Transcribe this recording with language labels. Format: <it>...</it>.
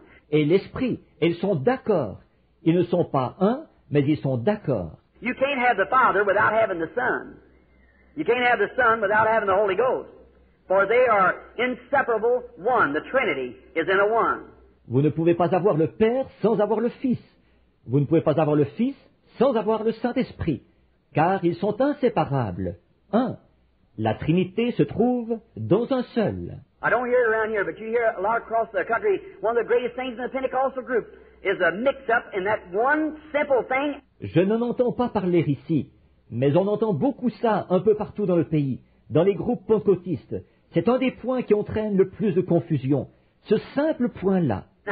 <fr>Et l'Esprit, ils sont d'accord. Ils ne sont pas un, mais ils sont d'accord.</fr> <en>You can't have the Father without having the Son. You can't have the Son without having the Holy Ghost. For they are inseparable one. The Trinity is in a one.</en> <fr>Vous ne pouvez pas avoir le Père sans avoir le Fils. Vous ne pouvez pas avoir le Fils sans avoir le Saint-Esprit. Car ils sont inséparables. Un. La Trinité se trouve dans un seul.</fr> <en>I don't hear it around here, but you hear it a lot across the country. One of the greatest things in the Pentecostal group is a mix-up in that one simple thing.</en> <fr>Je n'en entends pas parler ici, mais on entend beaucoup ça un peu partout dans le pays, dans les groupes pentecôtistes. C'est un des points qui entraîne le plus de confusion, ce simple point-là.</fr>